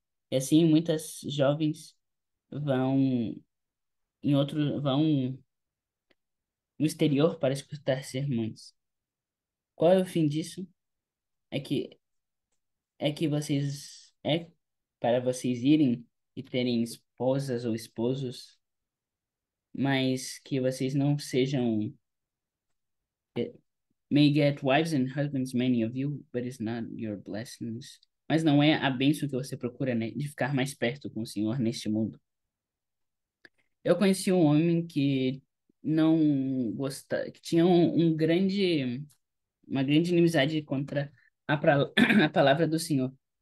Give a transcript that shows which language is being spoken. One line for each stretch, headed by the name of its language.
Portuguese: E assim muitas jovens vão no exterior para escutar sermões. Qual é o fim disso? É para vocês irem e terem esposas ou esposos, mas que vocês não sejam.
English: May get wives and husbands, many of you, but it's not your blessings.
Portuguese: Mas não é a bênção que você procura, né? De ficar mais perto com o Senhor neste mundo. Eu conheci um homem que não gostava, que tinha uma grande inimizidade contra a palavra do Senhor.